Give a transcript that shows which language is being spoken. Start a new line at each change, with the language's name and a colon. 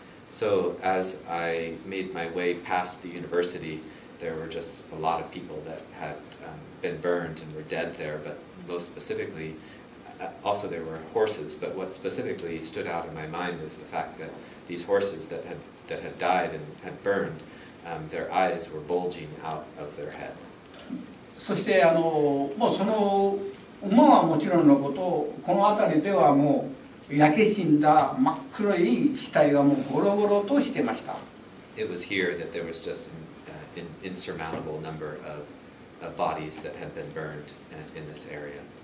English: So as I made my way past the university, there were just a lot of people that had been burned and were dead there, but most specifically, also there were horses, but what specifically stood out in my mind is the fact that these horses that had died and had burned, their eyes were bulging out of their head.
Japanese: そして、もうその馬はもちろんのこと、この辺りではもう焼け死んだ真っ黒い死体がもうゴロゴロとしてました。
English: It was here that there was just an insurmountable number of bodies that had been burned in this area.